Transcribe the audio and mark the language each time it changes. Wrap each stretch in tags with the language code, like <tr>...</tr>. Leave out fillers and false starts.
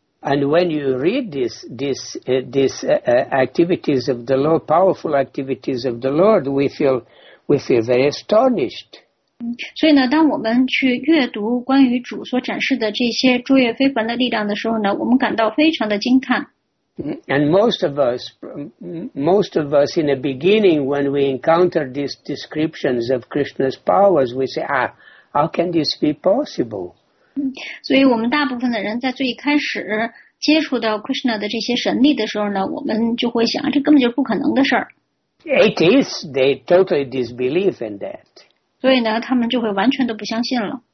<en>And when you read these activities of the Lord, powerful activities of the Lord, we feel very astonished.</en> <zh>所以呢，当我们去阅读关于主所展示的这些卓越非凡的力量的时候呢，我们感到非常的惊叹。</zh> <en>And most of us in the beginning when we encounter these descriptions of Krishna's powers, we say, ah, how can this be possible?</en> <zh>所以我们大部分的人在最开始接触到 Krishna 的这些神力的时候呢，我们就会想，这根本就是不可能的事儿。</zh> <en>It is. They totally disbelieve in that.</en> <zh>所以呢，他们就会完全都不相信了。</zh>